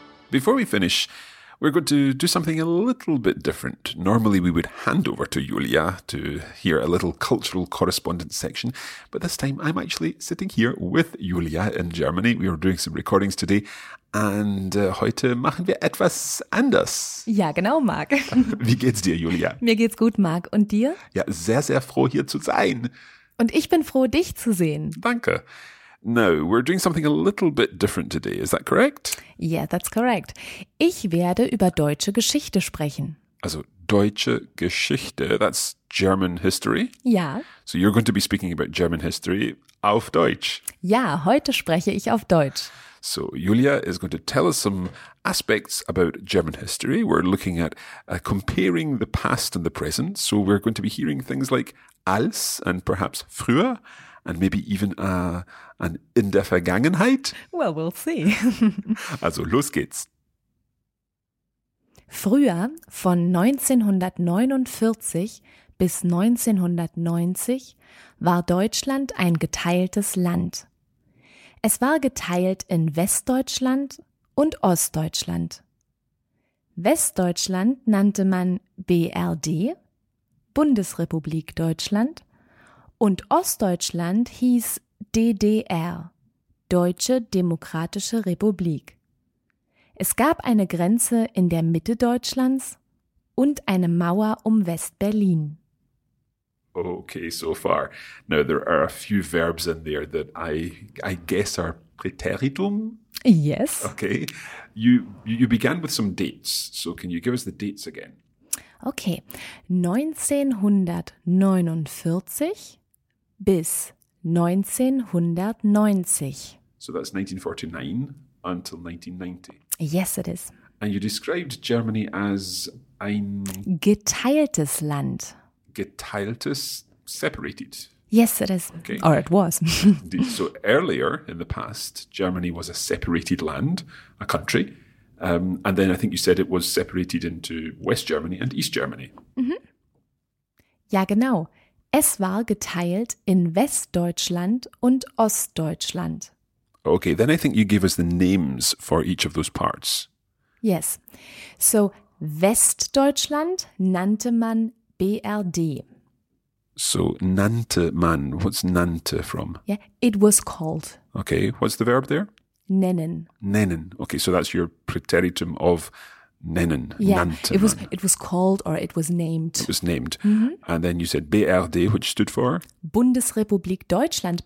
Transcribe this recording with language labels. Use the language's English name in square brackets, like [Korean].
[English] Before we finish, we're going to do something a little bit different. Normally, we would hand over to Julia to hear a little cultural correspondence section. But this time, I'm actually sitting here with Julia in Germany. We are doing some recordings today. [German] And heute machen wir etwas anders. Ja, genau, Marc. Wie geht's dir, Julia? Mir geht's gut, Marc. Und dir? Ja, sehr, sehr froh, hier zu sein. Und ich bin froh, dich zu sehen. Danke. [English] Now, we're doing something a little bit different today. Is that correct? Yeah, that's correct. [German] Ich werde über deutsche Geschichte sprechen. Also, deutsche Geschichte, [English] that's German history? [German] Ja. [English] So you're going to be speaking about German history [German] auf Deutsch? Ja, heute spreche ich auf Deutsch. [English] So Julia is going to tell us some aspects about German history. We're looking at comparing the past and the present. So we're going to be hearing things like als and perhaps früher and maybe even an [German] in der Vergangenheit. [English] Well, we'll see. [German] Also los geht's. Früher, von 1949 bis 1990, war Deutschland ein geteiltes Land. Es war geteilt in Westdeutschland und Ostdeutschland. Westdeutschland nannte man BRD, Bundesrepublik Deutschland, und Ostdeutschland hieß DDR, Deutsche Demokratische Republik. Es gab eine Grenze in der Mitte Deutschlands und eine Mauer um West-Berlin. [English] Okay, so far. Now, there are a few verbs in there that I guess are preteritum. Yes. Okay. You began with some dates. So can you give us the dates again? [German] Okay. 1949 bis 1990. [English] So that's 1949 until 1990. Yes, it is. And you described Germany as ein... [German] geteiltes Land. [English] Geteiltes, separated. Yes, it is. Okay. Or it was. So earlier in the past, Germany was a separated land, a country. And then I think you said it was separated into West Germany and East Germany. [German] Mm-hmm. Ja, genau. Es war geteilt in Westdeutschland und Ostdeutschland. [English] Okay, then I think you gave us the names for each of those parts. Yes. [German] So, Westdeutschland nannte man BRD. [English] So, [German] nannte man. [English] What's nannte from? Yeah, it was called. Okay, what's the verb there? [German] Nennen. [English] Nennen. Okay, so that's your preteritum of nennen. Yeah, [German] nannte [English] it was man. It was called or it was named. It was named. Mm-hmm. And then you said BRD, which stood for? [German] Bundesrepublik Deutschland.